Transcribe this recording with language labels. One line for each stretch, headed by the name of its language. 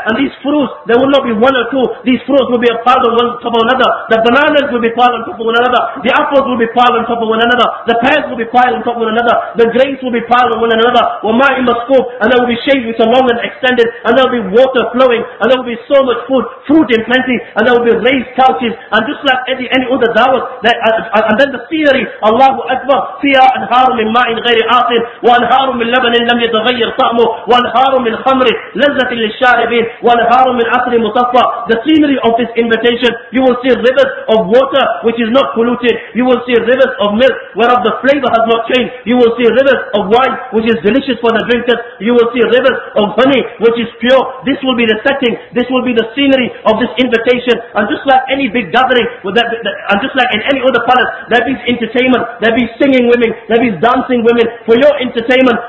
English: And these fruits, there will not be one or two. These fruits will be a part of one top of another. The bananas will be piled on top of one another. The apples will be piled on top of one another. The pears will be piled on top of one another. The grains will be piled on one another.
Arabic: وَمَا إِمْ أَسْكُوبْ.
English: And there will be shade which are long and extended. And there will be water flowing. And there will be so much food, fruit in plenty. And there will be raised couches. And just like any other dawah, and then the scenery, Allahu Akbar,
Arabic: فِيَا أَنْهَارٌ مِّن مَّاءٍ غَيْرِ آسِنٍ وَأَنْهَارٌ مِّن لَّبَنٍ لَّمْ يَتَغَيَّرْ طَعْمُهُ وَأَنْهَارٌ مِّن خَمْرٍ لَّذَّةٍ لِّلشَّارِبِينَ وَأَنْهَارٌ مِّن عَسَلٍ مُّصَفًّى.
English: The scenery of this invitation, you will see rivers of water which is not polluted. You will see rivers of milk whereof the flavor has not changed. You will see rivers of wine which is delicious for the drinkers. You will see rivers of honey which is pure. This will be the setting. This will be the scenery of this invitation. And just like any big gathering, and just like in any other palace, there be entertainment, there be singing women, there be dancing women for your entertainment.